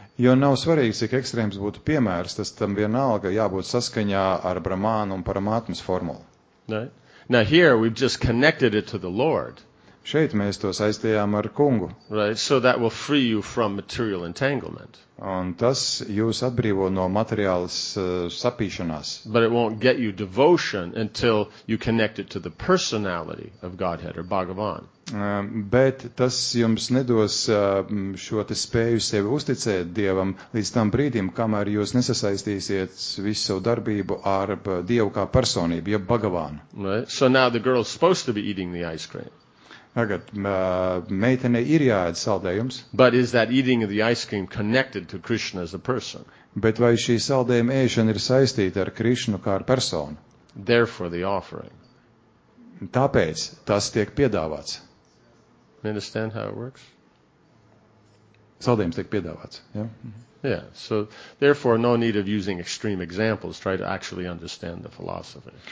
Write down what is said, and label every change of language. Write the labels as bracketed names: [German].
[Latvian] Jo nav svarīgi, cik ekstrēms būtu piemērs, tas tam vienalga jābūt saskaņā ar Brahmanu un Paramatmas formulu. [English] Right? Now here we've just connected it to the Lord. [Latvian] Šeit mēs to saistījām ar kungu. [English] Right, so that will free you from material entanglement. [Latvian] Un tas jūs atbrīvo no materiālas sapīšanās. [English] But it won't get you devotion until you connect it to the personality of Godhead or Bhagavan. [Latvian] Bet tas jums nedos šo te spēju sevi uzticēt Dievam līdz tam brīdim, kamēr jūs nesasaistīsiet visu savu darbību ar Dievu kā personību, jeb Bhagavanu. [English] Right, so now the girl is supposed to be eating the ice cream. [Latvian] Tagad, meitenei ir jāēd saldējums. [English] But is that eating of the ice cream connected to Krishna as a person? [Latvian] Bet vai šī saldējuma ēšana ir saistīta ar Krišnu kā ar personu? [English] Therefore the offering. [Latvian] Tāpēc tas tiek piedāvāts. [English] You understand how it works? [Latvian] Saldējums tiek piedāvāts, ja? [English] Yeah, so therefore no need of using extreme examples, try to actually understand the philosophy.